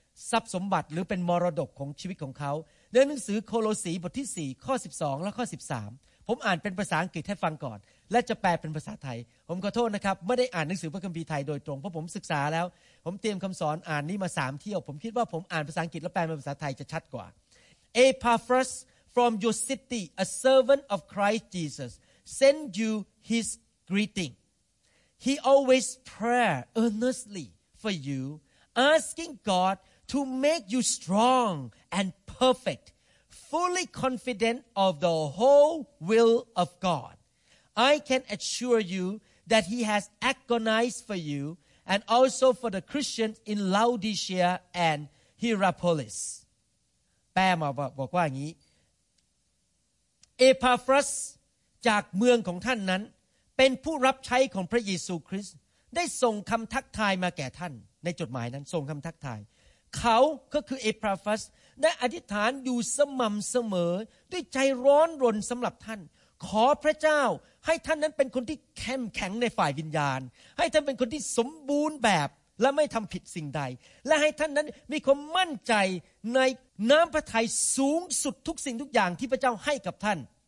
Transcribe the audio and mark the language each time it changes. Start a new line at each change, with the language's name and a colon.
Thai: ทรัพย์สมบัติหรือเป็นมรดกของชีวิตของเขาในหนังสือโคโลสีบทที่4ข้อ12และข้อ13ผมอ่านเป็นภาษาอังกฤษให้ฟังก่อนและจะแปลเป็นภาษาไทยผมขอโทษนะครับไม่ได้อ่านหนังสือพระคัมภีร์ไทยโดยตรงเพราะผมศึกษาแล้วผมเตรียมคำสอนอ่านนี้มา3เที่ยวผมคิดว่าผมอ่านภาษาอังกฤษแล้วแปลเป็นภาษาไทยจะชัดกว่า
English: EpaphrasFrom your city, a servant of Christ Jesus, send you his greeting. He always prays earnestly for you, asking God to make you strong and perfect, fully confident of the whole will of God. I can assure you that he has agonized for you and also for the Christians in Laodicea and Hierapolis.
Thai: แปลมาบอกว่าอย่างนี้เอพาฟรัสจากเมืองของท่านนั้นเป็นผู้รับใช้ของพระเยซูคริสต์ได้ส่งคำทักทายมาแก่ท่านในจดหมายนั้นส่งคำทักทาย เขาก็คือเอพาฟรัสได้อธิษฐานอยู่สม่ำเสมอด้วยใจร้อนรนสำหรับท่านขอพระเจ้าให้ท่านนั้นเป็นคนที่เข้มแข็งในฝ่ายวิญญาณให้ท่านเป็นคนที่สมบูรณ์แบบและไม่ทำผิดสิ่งใดและให้ท่านนั้นมีความมั่นใจในน้ำพระทัยสูงสุดทุกสิ่งทุกอย่างที่พระเจ้าให้กับท่าน